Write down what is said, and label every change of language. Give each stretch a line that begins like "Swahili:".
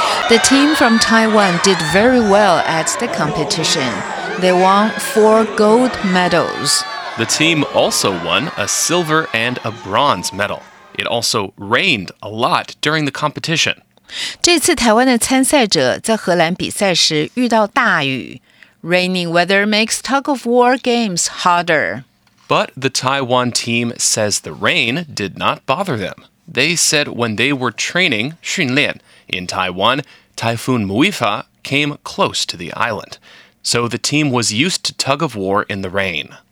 English: The team from Taiwan did very well at the competition. They won 4 gold medals. The team also won a silver and a bronze medal. It also rained a lot during the competition.
Chinese: 这次台湾的参赛者在荷兰比赛时遇到大雨。
English: Raining weather makes tug of war games harder. But the Taiwan team says the rain did not bother them. They said when they were training, 训练, in Taiwan, Typhoon Muifa came close to the island. So the team was used to tug of war in the rain.